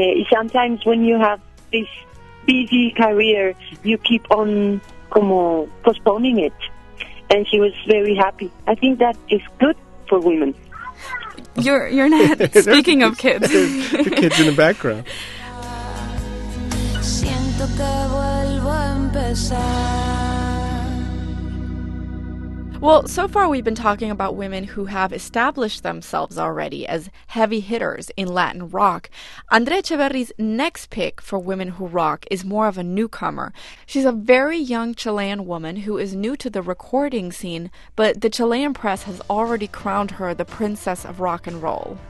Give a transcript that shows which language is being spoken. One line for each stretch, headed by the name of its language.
English: Sometimes when you have this busy career, you keep on
Spanish: como
English: postponing it. And she was very happy. I think that is good for women. You're not speaking of kids. The kids in the background.
Spanish: Siento que vuelvo a empezar.
English: Well, so far we've been talking about women who have established themselves already as heavy hitters in Latin rock. Andrea Echeverri's next pick for Women Who Rock is more of a newcomer. She's a very young Chilean woman who is new to the recording scene, but the Chilean press has already crowned her the princess of rock and roll.